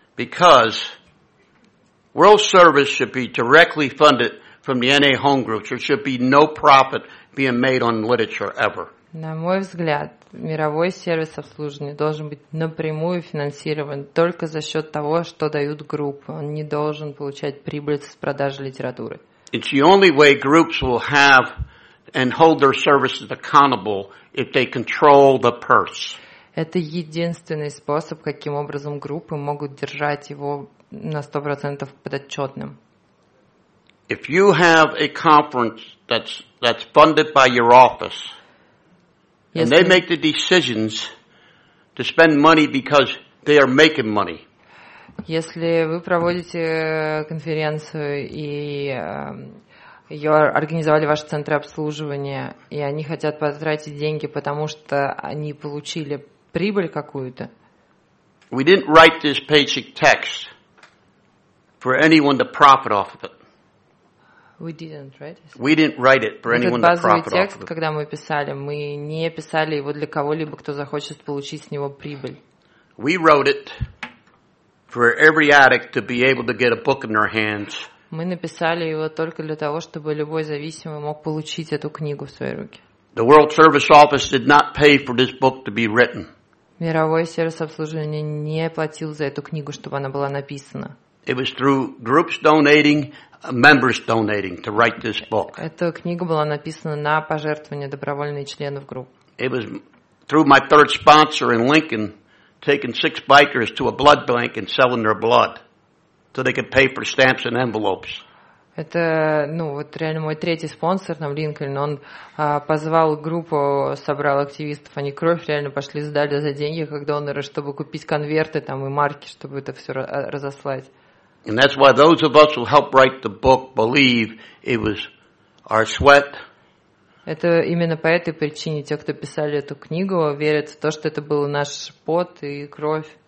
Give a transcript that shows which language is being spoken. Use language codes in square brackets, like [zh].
[en] Because World Service should be directly funded from the NA home groups. There should be no profit being made on literature ever. [ru] На мой взгляд, мировой сервис обслуживания должен быть напрямую финансирован только за счет того, что дают группы. Он не должен получать прибыль с продажи литературы. [en] It's the only way groups will have and hold their services accountable if they control the purse. [ru] Это единственный способ, каким образом группы могут держать его на 100% подотчетным. [en] If you have a conference that's funded by your office, and they make the decisions to spend money because they are making money. [ru] Если вы проводите конференцию и ее организовали ваши центры обслуживания, и они хотят потратить деньги, потому что они получили прибыль какую-то. [en] We didn't write this paycheck text for anyone to profit off of it. We didn't write it. We didn't write it for anyone to profit off of. [ru] Этот базовый текст, когда мы писали, мы не писали его для кого-либо, кто захочет получить с него прибыль. [en] We wrote it for every addict to be able to get a book in their hands. [ru] Мы написали его только для того, чтобы любой зависимый мог получить эту книгу в свои руки. [en] The World Service Office did not pay for this book to be written. [ru] Мировой сервис обслуживания не платил за эту книгу, чтобы она была написана. [en] It was through groups donating, members donating to write this book. [ru] Эта книга была написана на пожертвования добровольных членов групп. [en] It was through my third sponsor in Lincoln taking six bikers to a blood bank and selling their blood so they could pay for stamps and envelopes. [ru] Это, ну, вот реально мой третий спонсор там, Линкольн, он позвал группу, собрал активистов, они кровь реально пошли, сдали за деньги, как доноры, чтобы купить конверты там и марки, чтобы это все разослать. [en] And that's why those of us who helped write the book believe it was our sweat. [ru] Это именно по этой причине те, кто писали эту книгу, верят в то, что это был наш пот и кровь.